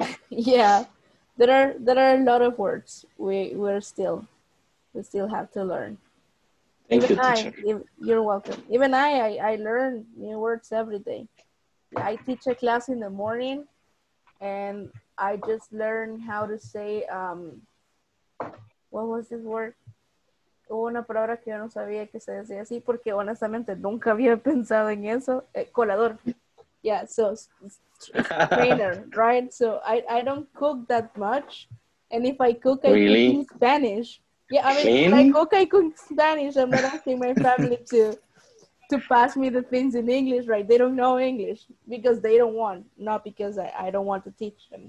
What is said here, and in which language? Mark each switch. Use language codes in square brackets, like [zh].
[en] Yeah, there are a lot of words we still have to learn. Thank even you, teacher. You're welcome. Even I learn new words every day. I teach a class in the morning, and I just learn how to say what was this word? [es] Hubo una palabra que yo no sabía que se decía así porque honestamente nunca había pensado en eso. [en] Colador. Yeah. So. Trainer, right? So I don't cook that much, and if I cook, I really? Cook in Spanish. Yeah, I mean, Shame? If I cook, I cook in Spanish. I'm not asking my family to pass me the things in English, right? They don't know English because they don't want, not because I don't want to teach them.